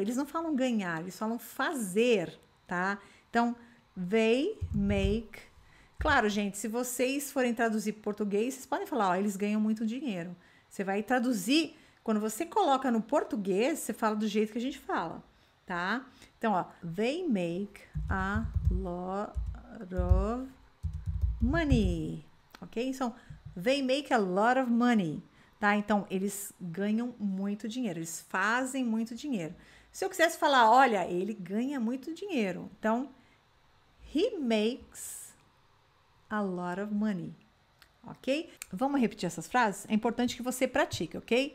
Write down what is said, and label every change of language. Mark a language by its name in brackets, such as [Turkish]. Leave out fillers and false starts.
[Portuguese] Eles não falam ganhar, eles falam fazer, tá? Então, [English] they make. [Portuguese] Claro, gente, se vocês forem traduzir para português, vocês podem falar, ó, eles ganham muito dinheiro. Você vai traduzir, quando você coloca no português, você fala do jeito que a gente fala. Tá? Então, ó, [English] they make a lot of money. [Portuguese] Ok? Então, [English] they make a lot of money. [Portuguese] Tá? Então, eles ganham muito dinheiro, eles fazem muito dinheiro. Se eu quisesse falar, olha, ele ganha muito dinheiro. Então, [English] he makes a lot of money. [Portuguese] Ok? Vamos repetir essas frases? É importante que você pratique, ok?